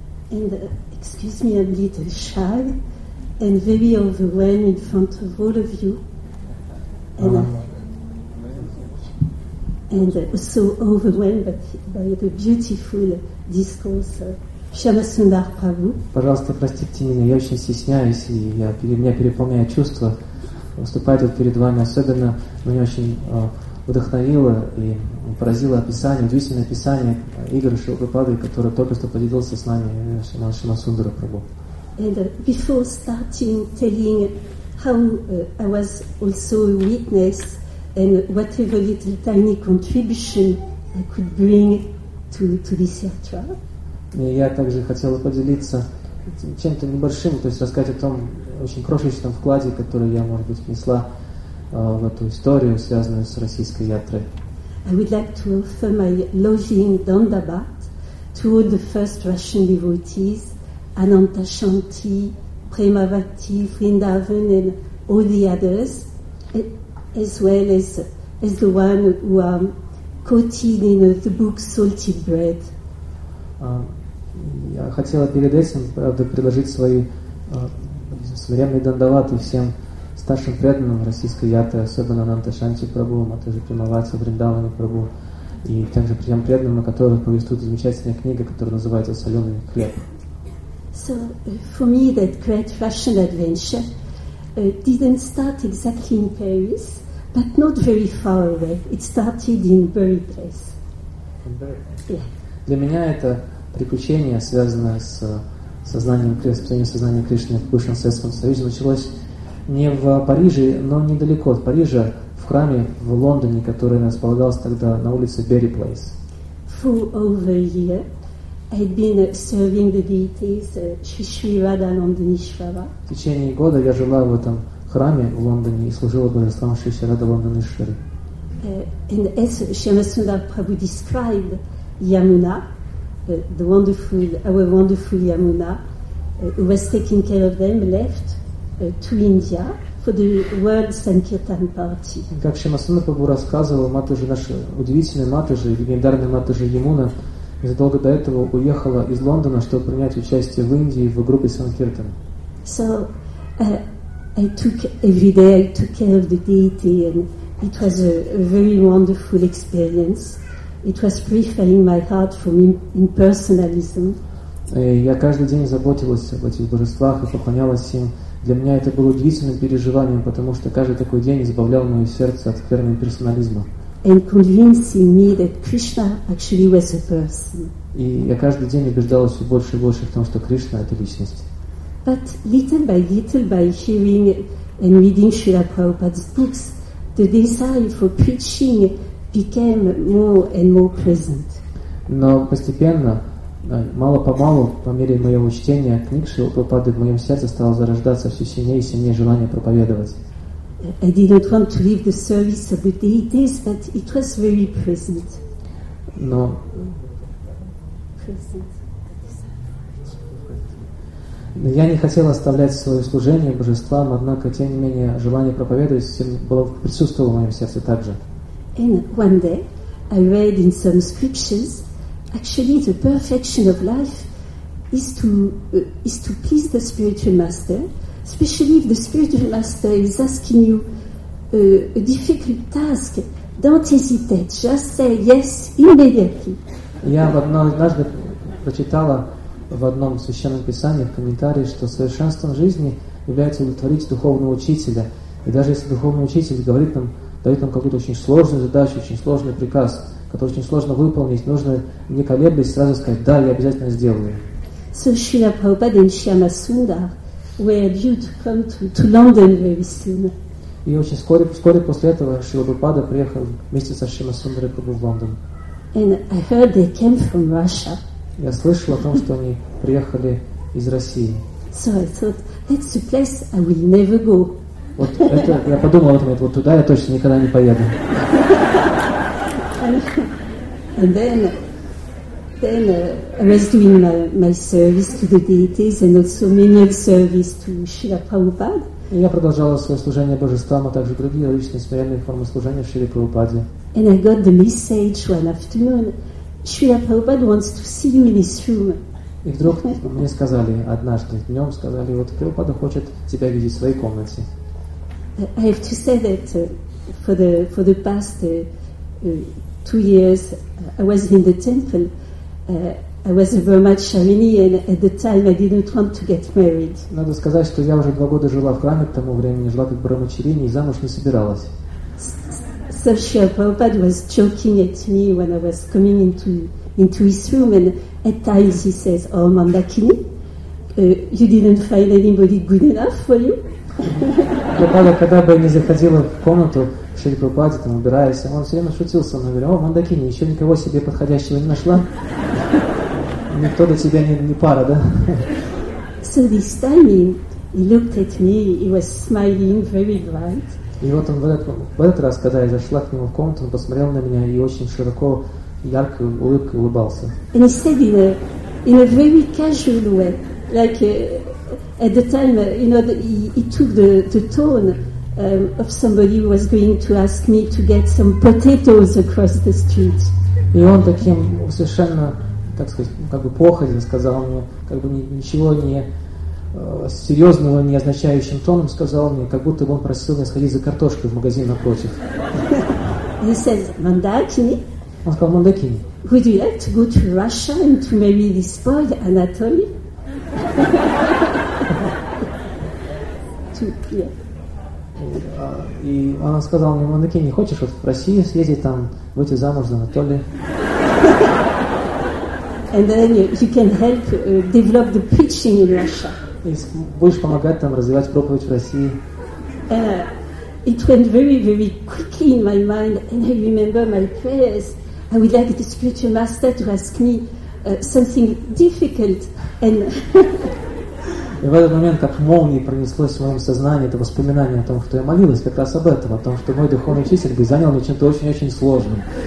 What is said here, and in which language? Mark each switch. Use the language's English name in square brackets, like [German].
[English] And excuse me, I'm a little shy and very overwhelmed in front of all of you, and so overwhelmed by the beautiful discourse of Shyama Sundar Prabhu. [Russian] Пожалуйста, простите меня, я очень стесняюсь, и меня переполняет чувство выступать вот перед вами. Особенно меня очень вдохновило и поразило описание, удивительное описание игры Шрилы Прабхупады, которое только что поделился с нами Шрима Сундара Прабху. [English] And before starting telling how I was also a witness and whatever little tiny contribution I could bring to this yatra. [Russian] Я также хотела поделиться чем-то небольшим, то есть рассказать о том очень крошечном вкладе, который я, может быть, внесла в эту историю, связанную с российской ятрой. [English] I would like to offer my loving dandabat to all the first Russian devotees, Ananta Shanti, Premavati, Vrindavan, and all the others, as well as the one who are quoted in the book Salty Bread. [Russian] Я хотела перед этим, правда, предложить свои смиренные дандаваты всем старшим преданным российской ятры, особенно Ананта Шанти Прабу, Матаджи Примавати, Вриндавани Прабу, и тем же тем преданным, о которых повествует замечательная книга, которая называется «Соленый хлеб». [English] So, for me, that great Russian adventure didn't start exactly in Paris, but not very far away. It started in Berry Place. [Russian] Для меня это приключение, связанное с сознанием, сознанием Кришны в Бывшем Советском Союзе, началось не в Париже, но недалеко от Парижа, в храме в Лондоне, который располагался тогда на улице Berry Place. [English] For over a year, I'd been serving the deities Shri Shri Radha Nandanishvara. [Russian] В течение года я жила в этом храме в Лондоне и служила божествам Шри Шри Радха Нанданишвары. [English] And as Shyamasundara Prabhu described Yamuna, our wonderful Yamuna, who was taking care of them, left to India for the World Sankirtan Party. [Russian] Как Шимасуна Пабу рассказывал, Матаджи, наша удивительная Матаджи, легендарная Матаджи Ямуна, незадолго до этого уехала из Лондона, чтобы принять участие в Индии в группе Санкиртан. [English] So, I took every day, I took care of the deity, and it was a very wonderful experience. It was purifying my heart from impersonalism. [Russian] Я каждый день заботилась об этих божествах и поклонялась им. Для меня это было удивительным переживанием, потому что каждый такой день избавлял мое сердце от скверного персонализма. [English] And convincing me that Krishna actually was a person. [Russian] И я каждый день убеждалась все больше и больше в том, что Кришна — это личность. [English] But little by hearing and reading Srila Prabhupada's books, the desire for preaching became more and more present. [Russian] Но постепенно, мало-помалу, по мере моего чтения книг Шрилы Прабхупады, в моем сердце стало зарождаться все сильнее и сильнее желание проповедовать. [English] I didn't want to leave the service of the deities, but it was very present. [Russian] Но я не хотел оставлять свое служение божествам, однако, тем не менее, желание проповедовать было присутствовало в моем сердце также. [English] And one day, I read in some scriptures, actually the perfection of life is to please the spiritual master, especially if the spiritual master is asking you a difficult task. Don't hesitate, just say yes immediately. [Russian] Я однажды прочитала в одном священном писании в комментарии, что совершенством жизни является удовлетворить духовного учителя, и даже если духовный учитель говорит нам, дает нам какую-то очень сложную задачу, очень сложный приказ, который очень сложно выполнить, нужно не колеблясь сразу сказать «Да, я обязательно сделаю». [English] So Srila Prabhupada and Shyamasundara were due to come to London very soon. [Russian] И очень вскоре после этого Шрила Прабхупада приехал вместе со Шьямасундарой Прабху в Лондон. [English] And I heard they came from Russia. [Russian] Я слышал о том, что они приехали из России. [English] So I thought, that's a place I will never go. [Russian] Вот это, я подумал о том, вот туда я точно никогда не поеду. [English] And then I was doing my service to the deities and also many service to Srila Prabhupada. [Russian] И я продолжала свое служение божествам, а также другие различные смиренные формы служения Шри Прабхупаде. [English] And I got the message one afternoon, Srila Prabhupada wants to see you in his room. [Russian] И вдруг мне сказали однажды днем, сказали, вот Прабхупада хочет тебя видеть в своей комнате. [English] I have to say that for the past 2 years I was in the temple. I was a Brahmacharini, and at the time I didn't want to get married. [Russian] Надо сказать, что я уже 2 года жила в храме к тому времени, жила как Брахмачарини и замуж не собиралась. [English] So Srila Prabhupada was joking at me when I was coming into his room, and at times he says, "Oh, Mandakini, you didn't find anybody good enough for you." [Russian] Прабхупада, когда бы я не заходила в комнату в Шри Прабхупаде, там убираясь, он все время шутил со мной, говорил, о, Мандакини, еще никого себе подходящего не нашла? Никто до тебя не пара, да? [English] So this time he looked at me, he was smiling very bright. [Russian] И вот он в этот раз, когда я зашла к нему в комнату, он посмотрел на меня и очень широко, яркой улыбкой улыбался. [English] And he said in a very casual way, like at the time, you know, he took the tone of somebody who was going to ask me to get some potatoes across the street. [Russian] И он таким совершенно, так сказать, как бы походя, сказал мне, как бы ничего не серьезного, не означающим тоном, сказал мне, как будто бы он просил меня сходить за картошкой в магазин напротив. [English] He says, Mandakini. [Russian] Он сказал, Мандакини. [English] Would you like to go to Russia and to marry this boy, Anatoly? [Russian] И она сказала мне, Мандакини, не хочешь вот в Россию съездить там, выйти замуж за Анатолия? [English] And then you can help develop the preaching in Russia. [Russian] И будешь помогать там развивать проповедь в России. [English] It went very, very quickly in my mind, and I remember my prayers. I would like the spiritual master to ask me something difficult. And [Russian] и в этот момент, как молнией пронеслось в моем сознании это воспоминание о том, что я молилась как раз об этом, о том, что мой духовный учитель бы занял мне чем-то очень-очень сложным.